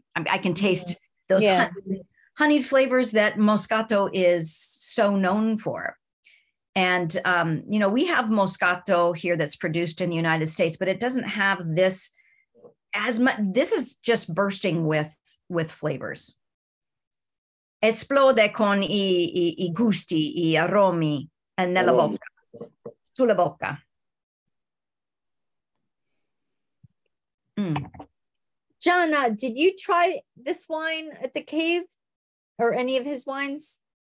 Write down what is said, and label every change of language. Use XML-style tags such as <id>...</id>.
<en>I can taste those honeyed flavors that Moscato is so known for. And, you know, we have Moscato here that's produced in the United States, but it doesn't have this as much. This is just bursting with flavors.</en> <it>Esplode con i gusti, i aromi, e nella bocca, sulla bocca. Mm.</it> <en>John, did you try this wine at the cave or any of his wines?</en>